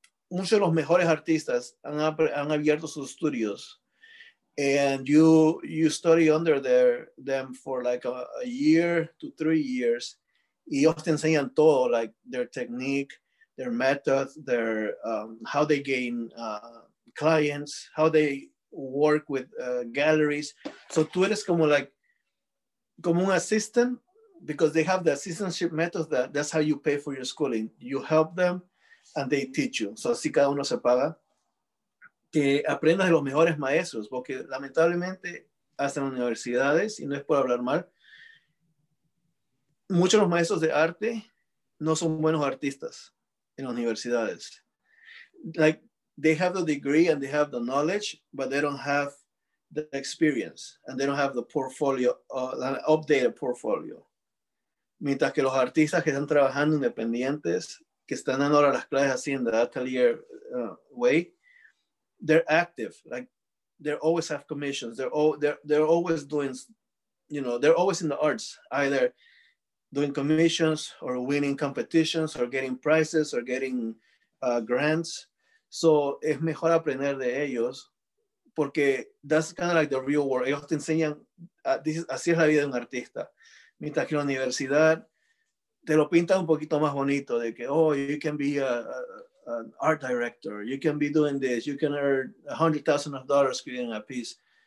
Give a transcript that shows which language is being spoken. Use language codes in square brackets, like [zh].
[en] muchos de los mejores artistas han abierto sus estudios, and you study under them for like a year to 3 years, y ellos te enseñan todo, like their technique, their method, their how they gain clients, how they work with galleries. So tú eres como un assistant, because they have the assistantship method, that's how you pay for your schooling. You help them and they teach you. So así cada uno se paga. [es] Que aprendas de los mejores maestros, porque lamentablemente hasta en universidades, y no es por hablar mal, muchos de los maestros de arte no son buenos artistas en universidades. [en] Like, they have the degree and they have the knowledge, but they don't have the experience and they don't have the portfolio, the updated portfolio. [es] Mientras que los artistas que están trabajando independientes, que están dando ahora las clases así en the Atelier way, they're active, like they always have commissions. [en] They're always doing, you know, they're always in the arts, either doing commissions or winning competitions or getting prizes or getting grants. So es mejor aprender de ellos, porque that's kind of like the real world. [es] Ellos te enseñan, así es la vida de un artista. [en] Mientras que en la universidad te lo pintan un poquito más bonito, de que, oh, you can be an art director, you can be doing this, you can earn $100,000 creating a piece.